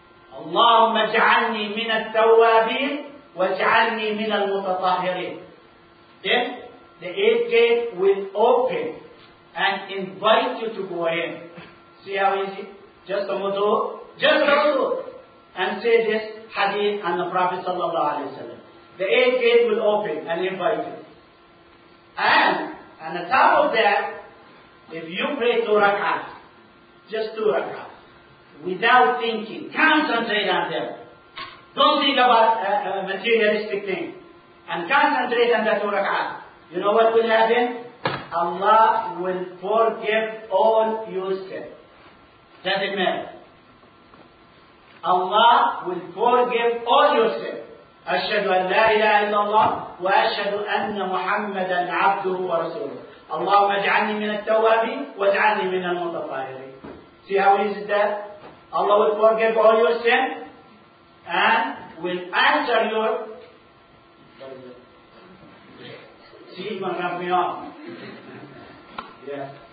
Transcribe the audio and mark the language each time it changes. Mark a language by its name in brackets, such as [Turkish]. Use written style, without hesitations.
[Arabic] اللهم اجعلني من التوابين واجعلني من المتطهرين. [English] Then the eighth gate will open and invite you to go in. See how easy? Just a wudu. Just a wudu. And say this hadith and the Prophet sallallahu alayhi wa sallam. The eighth gate will open and invite you. And on top of that, if you pray two rak'ahs, just two rak'ahs, without thinking, concentrate on them. Don't think about a materialistic thing. And concentrate on the two rak'ahs. You know what will happen? Allah will forgive all your sins. Does it matter? Allah will forgive all your sins. [Arabic] أشهد أن لا إله إلا الله وأشهد أن محمدا عبده ورسوله. اللهم اجعلني من التوابين واجعلني من المتطهرين. [English] See how easy is that? Allah will forgive all your sin and will answer your. See, man, wrap me up. Yeah.